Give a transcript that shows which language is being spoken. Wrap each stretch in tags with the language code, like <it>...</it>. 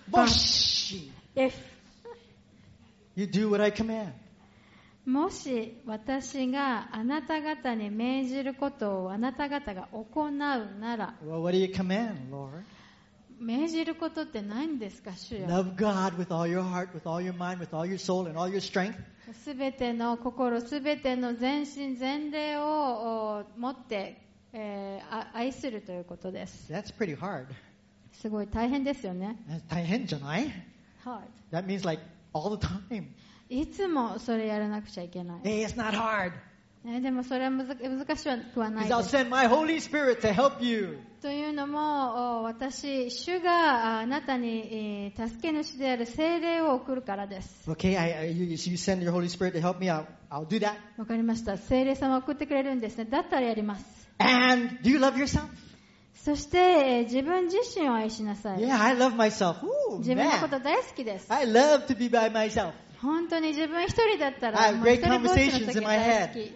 <ja>もし。</ja> <en>If. You do what I command.</en> <ja>もし私があなた方に命じることをあなた方が行うなら、</ja> <en>well, what do you command, Lord?</en> <ja>命じることって何ですか、主よ。</ja> <en>Love God with all your heart, with all your mind, with all your soul, and all your strength.</en> <ja>すべての心、すべての全身全霊を持って、愛するということです。</ja> <en>That's pretty hard.</en> <ja>すごい大変ですよね。大変じゃない</ja> <en>？Hard. That means like all the time.</en> <ja>いつもそれやらなくちゃいけない。</ja> <en>Hey, it's not hard.</en> <ja>でもそれは難しくはないです。</ja> <en>I'll send my Holy Spirit to help you.</en> <ja>というのも、私、主があなたに助け主である聖霊を送るからです。</ja> <en>Okay, you send your Holy Spirit to help me, I'll do that.</en> <ja>わかりました。聖霊様を送ってくれるんですね。だったらやります。</ja> <en>And do you love yourself?</en> <ja>そして自分自身を愛しなさい。</ja> <en>Yeah, I love myself. Ooh,</en> <ja>自分のこと大好きです。</ja> <en>I love to be by myself.</en> <ja>本当に自分一人だったら、</ja> <en>I have great conversations in my head.</en>